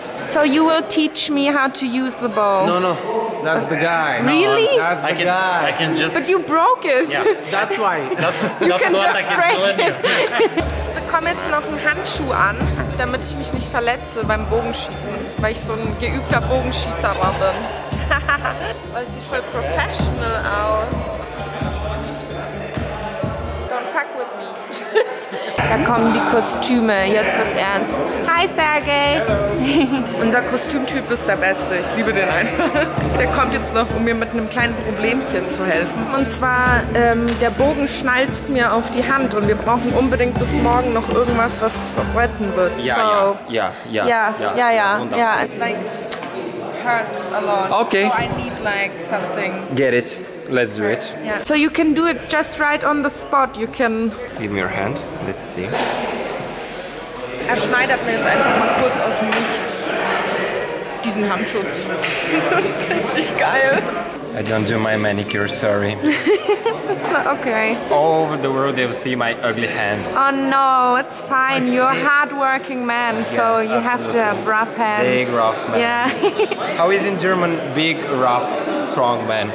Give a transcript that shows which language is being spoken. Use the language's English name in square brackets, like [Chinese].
[English] So you will teach me how to use the bow. No, no. That's the guy. Really? No, that's the guy. I can just... But you broke it. Yeah. That's why. That's what I can tell you. [German] Ich bekomme jetzt noch einen Handschuh an, damit ich mich nicht verletze beim Bogenschießen, weil ich so ein geübter Bogenschießer bin. Weil es sieht voll professional aus. [English] Don't fuck with me. [German] Da kommen die Kostüme. Jetzt wird's ernst. Hi, Sergey. Unser Kostümtyp ist der Beste. Ich liebe den einfach. Der kommt jetzt noch, um mir mit einem kleinen Problemchen zu helfen. Und zwar, der Bogen schnalzt mir auf die Hand und wir brauchen unbedingt bis morgen noch irgendwas, was retten wird. Ja, so. Ja. [English] It like hurts a lot. Okay. So I need like something. Get it. Let's do it. Yeah. So you can do it just right on the spot. You can... Give me your hand. Let's see. [German] Er schneidet mir jetzt einfach mal kurz aus dem Nichts diesen Handschutz. Richtig geil. [English] I don't do my manicure, sorry. Okay. All over the world they will see my ugly hands. Oh no, it's fine. You're a hard-working man, yes, so you absolutely have to have rough hands. Big, rough man. Yeah. How is in German big, rough, strong man?